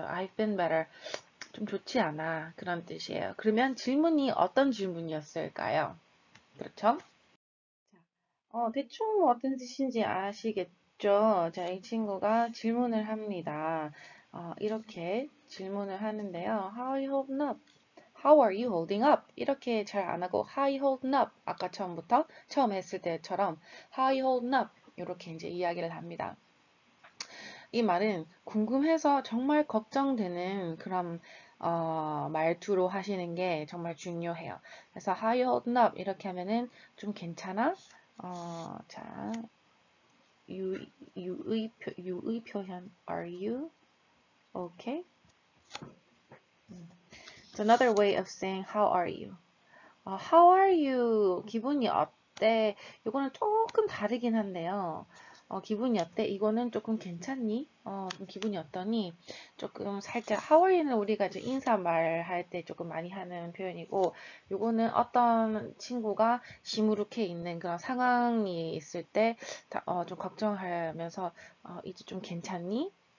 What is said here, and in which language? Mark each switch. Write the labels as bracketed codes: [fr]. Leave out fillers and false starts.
[en] I've been better. [ko] 좀 좋지 않아. 그런 뜻이에요. 그러면 질문이 어떤 질문이었을까요? 그렇죠? 대충 어떤 뜻인지 아시겠죠? 자, 이 친구가 질문을 합니다. 이렇게 질문을 하는데요. [en] How are you holding up? How are you holding up? [ko] 이렇게 잘 안 하고 [en] How are you holding up? [ko] 아까 처음부터 처음 했을 때처럼 [en] How are you holding up? [ko] 이렇게 이제 이야기를 합니다. 이 말은 궁금해서 정말 걱정되는 그런 말투로 하시는 게 정말 중요해요. [en] 그래서 How are you holding up? [ko] 이렇게 하면은 좀 괜찮아? 자. 유의 표현 [en] Are you okay? It's another way of saying How are you? How are you? [ko] 기분이 어때? 이거는 조금 다르긴 한데요. 기분이 어때? 이거는 조금 괜찮니? 기분이 어떠니? 조금 살짝 [en] How are you [ko] 는 우리가 이제 인사말 할 때 조금 많이 하는 표현이고 이거는 어떤 친구가 시무룩해 있는 그런 상황이 있을 때 좀 걱정하면서 이제 좀 괜찮니?